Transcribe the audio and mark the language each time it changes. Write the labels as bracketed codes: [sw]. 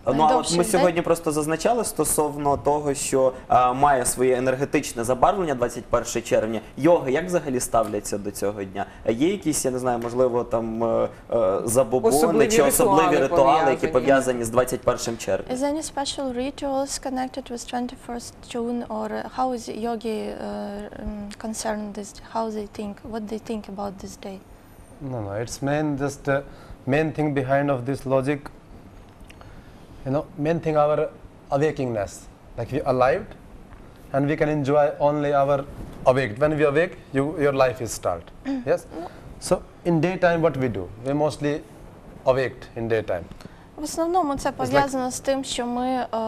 [uk] Ну, а от ми сьогодні просто зазначали стосовно того, що має своє енергетичне забарвлення 21 червня. Йоги як взагалі ставляться до цього дня? Є якісь, я не знаю, можливо, там забобони чи особливі ритуали, які пов'язані з 21 червня? [en] Is any special rituals connected with 21st June or how is yogi concerned this? How they think? What they think about this day? No, it's main, just main thing behind of this logic, you know, main thing our awakeness, like we alive and we can enjoy only our awake. When we awake, your life is start, yes? So in daytime what we do? We mostly awake in daytime. [uk] В основному це пов'язано з тим, що ми